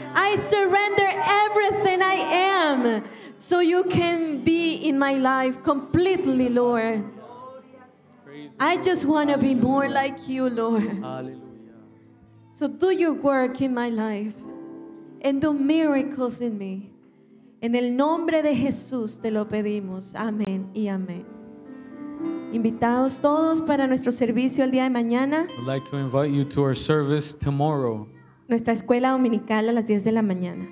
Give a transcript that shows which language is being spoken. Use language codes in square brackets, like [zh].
[en] I surrender everything I am so you can be in my life completely, Lord. I just want to be more like you, Lord. Hallelujah. So do your work in my life and do miracles in me. [es] En el nombre de Jesús te lo pedimos. Amén y amén. Invitados todos para nuestro servicio el día de mañana. [en] I'd like to invite you to our service tomorrow. [es] Nuestra escuela dominical a las 10 de la mañana.